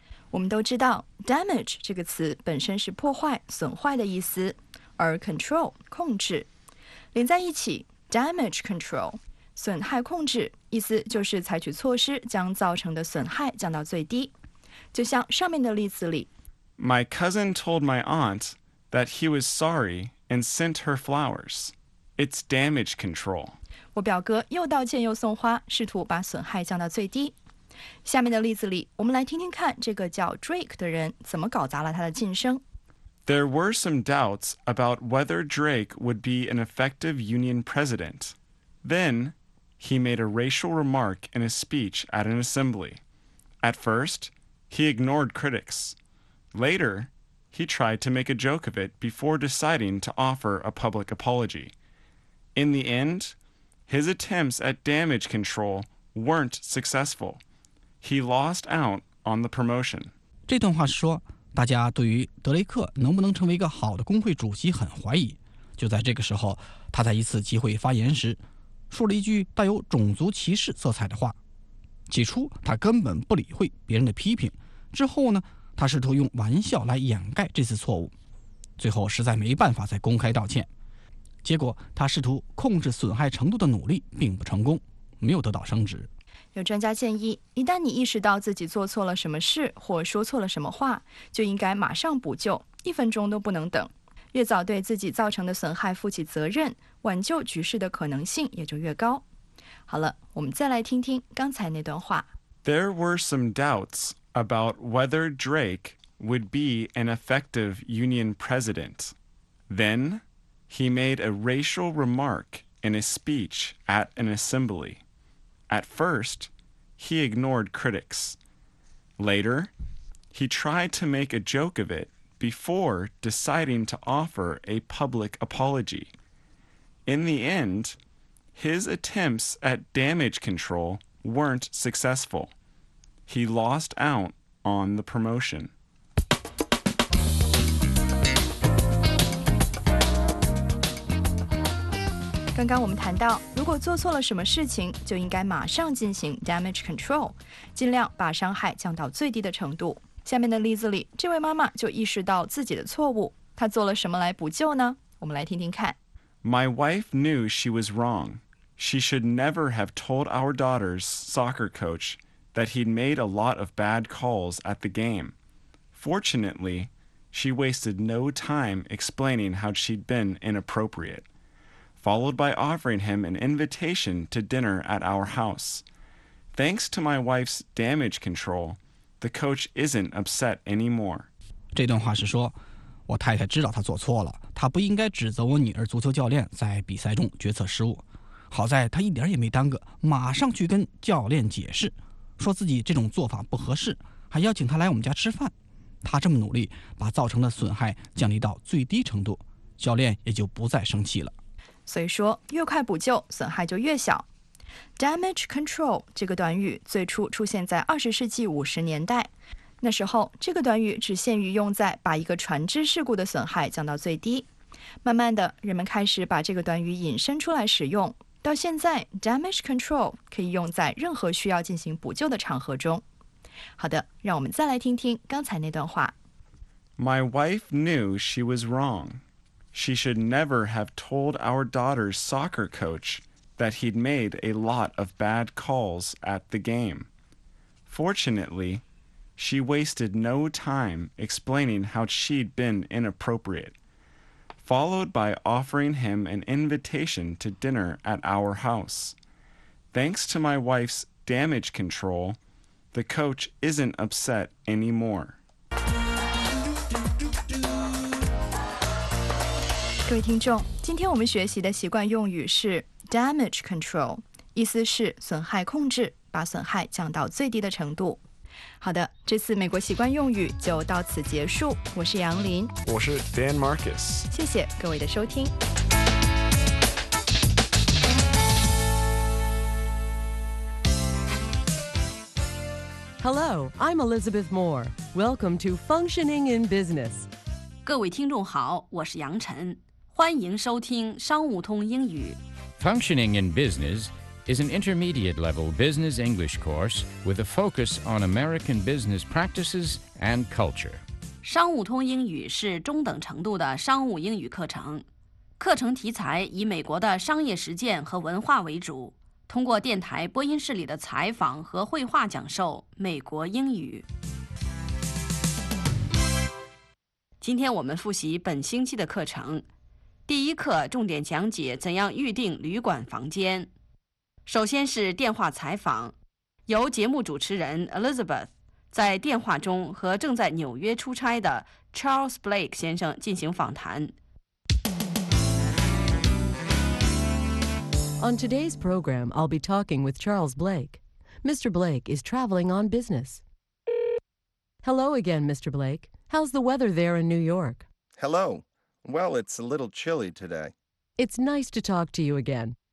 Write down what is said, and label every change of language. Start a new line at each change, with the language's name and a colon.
Chinese: 我们都知道 damage 这个词本身是破坏、损坏的意思，而 control 控制连在一起 damage control 损害控制，意思就是采取措施将造成的损害降到最低。就像上面的例子里，
English: My cousin told my aunt that he was sorry and sent her flowers. It's damage control.
Chinese: 我表哥又道歉又送花，试图把损害降到最低。下面的例子里，我们来听听看这个叫 Drake 的人怎么搞砸了他的晋升。
English: There were some doubts about whether Drake would be an effective union president. Then, he made a racial remark in a speech at an assembly. At first, he ignored critics. Later, he tried to make a joke of it before deciding to offer a public apology. In the end, his attempts at damage control weren't successful. He lost out on the promotion.
Chinese: 这段话说大家对于德雷克能不能成为一个好的工会主席很怀疑。就在这个时候，他在一次集会发言时说了一句带有种族歧视色彩的话。起初他根本不理会别人的批评，之后呢，他试图用玩笑来掩盖这次错误，最后实在没办法再公开道歉。结果他试图控制损害程度的努力并不成功，没有得到升职。有专家建议，一旦你意识到自己做错了什么事或说错了什么话，就应该马上补救，一分钟都不能等。越早对自己造成的损害负起责任，挽救局势的可能性也就越高。好了，我们再来听听刚才那段话。
English: There were some doubts about whether Drake would be an effective union president. Then, he made a racial remark in a speech at an assembly. At first, he ignored critics. Later, he tried to make a joke of it before deciding to offer a public apology. In the end, his attempts at damage control weren't successful. He lost out on the promotion.
Chinese: 刚刚我们谈到，如果做错了什么事情，就应该马上进行 damage control， 尽量把伤害降到最低的程度。下面的例子里，这位妈妈就意识到自己的错误，她做了什么来补救呢？我们来听听看。
English: My wife knew she was wrong. She should never have told our daughter's soccer coach that he'd made a lot of bad calls at the game. Fortunately, she wasted no time explaining how she'd been inappropriate. Followed by offering him an invitation to dinner at our house. Thanks to my wife's damage control, the coach isn't upset anymore.
Chinese: 这段话是说，我太太知道她做错了，她不应该指责我女儿足球教练在比赛中决策失误。好在她一点也没耽搁，马上去跟教练解释，说自己这种做法不合适，还邀请她来我们家吃饭。她这么努力，把造成的损害降低到最低程度，教练也就不再生气了。所以说越快补救损害就越小。Damage control 这个短语最初出现在20世纪50年代，那时候这个短语只限于用在把一个船只事故的损害降到最低。慢慢的，人们开始把这个短语引申出来使用，到现在 Damage control 可以用在任何需要进行补救的场合中。好的，让我们再来听听刚才那段话。
English: My wife knew she was wrongShe should never have told our daughter's soccer coach that he'd made a lot of bad calls at the game. Fortunately, she wasted no time explaining how she'd been inappropriate, followed by offering him an invitation to dinner at our house. Thanks to my wife's damage control, the coach isn't upset anymore.
Chinese: 各位听众，今天我们学习的习惯用语是 damage control， 意思是损害控制，把损害降到最低的程度。好的，这次美国习惯用语就到此结束。我是杨林，我是 Dan Marcus，谢谢各位的收听。
English: Hello, I'm Elizabeth Moore. Welcome to Functioning in Business.
Chinese: 各位听众好，我是杨晨，欢迎收听商务通英语。
English: Functioning in Business is an intermediate level business English course with a focus on American business practices and culture.
Chinese: 商务通英语是中等程度的商务英语课程，课程题材以美国的商业实践和文化为主。通过电台播音室里的采访和绘画讲授美国英语。今天我们复习本星期的课程，第一课重点讲解怎样预订旅馆房间。首先是电话采访，由节目主持人 Elizabeth 在电话中和正在纽约出差的 Charles Blake 先生进行访谈。
English: On today's program, I'll be talking with Charles Blake. Mr. Blake is traveling on business. Hello again, Mr. Blake. How's the weather there in New York? Hello. Well, it's a little chilly today. It's nice to talk to you again.